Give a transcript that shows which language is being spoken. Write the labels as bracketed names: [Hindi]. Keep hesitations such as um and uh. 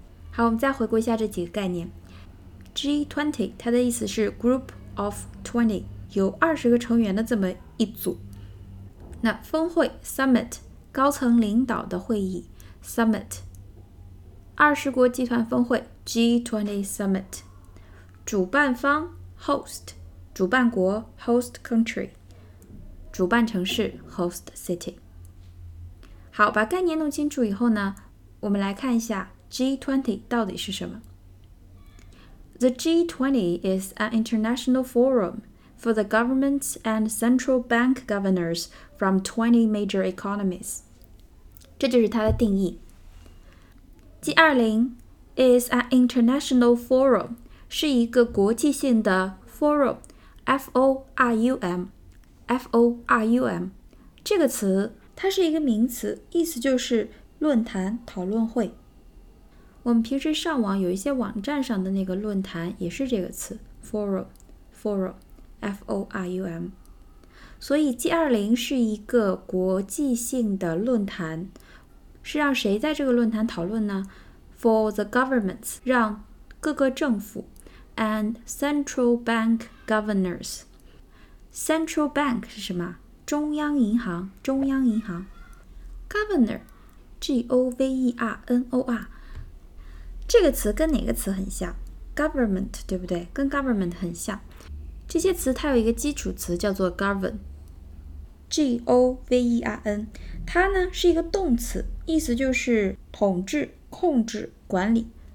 [Chinese] 好，我们再回顾一下这几个概念。G20，它的意思是 [English] group of twenty， [Chinese] 有二十个成员的这么一组。那峰会 （summit），高层领导的会议 （summit）。二十国集团峰会 （G20 summit）。主办方 （host），主办国 （host country），主办城市 （host, country。 [English] host city）。 [Chinese] 好，把概念弄清楚以后呢，我们来看一下 G20 到底是什么。 [English] The G20 is an international forum for the governments and central bank governors from 20 major economies。 [Chinese] 这就是它的定义。 [English] G20 is an international forum。 [Chinese] For 是一个国际性的 forum，f o r u m，f o r u m，, -R -U -M 这个词它是一个名词，意思就是论坛、讨论会。我们平时上网有一些网站上的那个论坛也是这个词，forum，forum，f -O, o r u m。所以 G20 是一个国际性的论坛，是让谁在这个论坛讨论呢？ [English] For the governments， [Chinese] 让各个政府。 [English] And central bank governors. Central bank [Chinese] 是什么？中央银行，中央银行。 Governor, G-O-V-E-R-N-O-R，这个词跟哪个词很像？Government，对不对？跟 government 很像。这些词它有一个基础词叫做 govern, G-O-V-E-R-N，它呢是一个动词，意思就是统治、控制、管理。